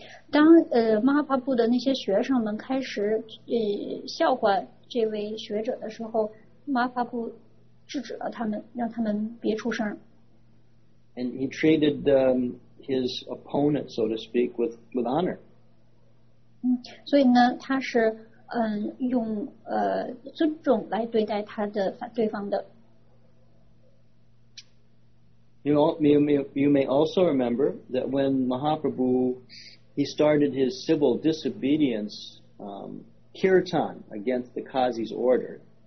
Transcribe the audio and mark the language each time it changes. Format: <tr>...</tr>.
<zh>当Mahaprabhu的那些学生们开始笑话这位学者的时候, Mahaprabhu制止了他们, 让他们别出声。</zh> <en>And he treated his opponent, so to speak, with honor.</en> <zh>所以呢,他是用尊重来对待他的反对方的。</zh> <en>You may also remember that when Mahaprabhu he started his civil disobedience kirtan against the Qazi's order.</en>